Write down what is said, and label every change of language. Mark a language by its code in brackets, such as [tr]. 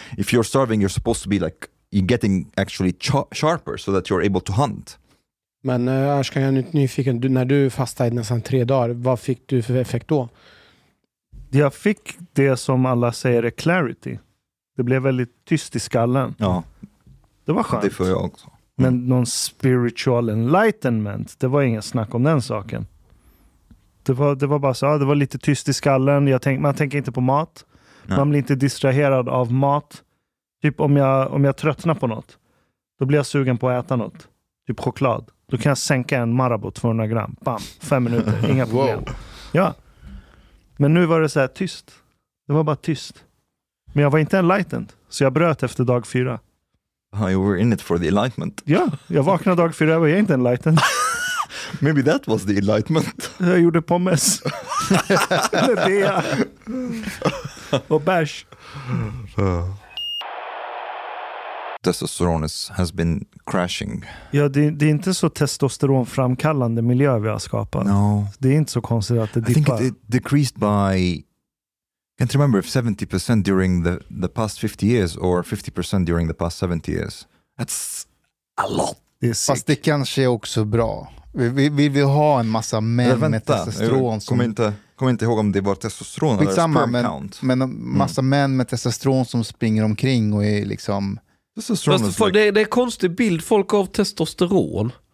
[en] If you're starving, you're supposed to be like you're getting actually sharper so that you're able to hunt. [sv] Men annars kan jag inte nyfiken, när du fastade nästan 3 dagar, vad fick du för effekt då? Jag fick det som alla säger är clarity. Det blev väldigt tyst i skallen. Ja. Det var skönt. Det får jag också. Mm. Men någon [en] spiritual enlightenment, [sv] det var ingen snack om den saken. Det var bara så, ja, det var lite tyst i skallen. Man tänker inte på mat. Nej. Man blir inte distraherad av mat. Typ om jag tröttnar på något, då blir jag sugen på att äta något. Typ choklad. Då kan jag sänka en Marabou 200 gram. Bam, 5 minuter, inga problem. Wow. Ja. Men nu var det så här tyst. Det var bara tyst. Men jag var inte enlightened, så jag bröt efter 4. [en] You were in it for the enlightenment. [sv] Ja, jag vaknade 4 och jag är inte enlightened. [en] Maybe that was the enlightenment. [sv] Jag gjorde pommes. Eller det. Och bärs. [en] Testosteron has been crashing. [sv] Ja, det är inte så testosteronframkallande miljö vi har skapat. [en] No. [sv] Det är inte så konstigt att det dippar. [en] I think it decreased by... I can't remember if 70% during the past 50 years or 50% during the past 70 years. That's a lot. [sv] Fast det kanske är också bra. Vi har en massa män med testosteron. Kommer inte ihåg om det var testosteron eller sperm count. Men massa män med testosteron som springer omkring och är liksom... Det är en konstig bild folk av testosteron.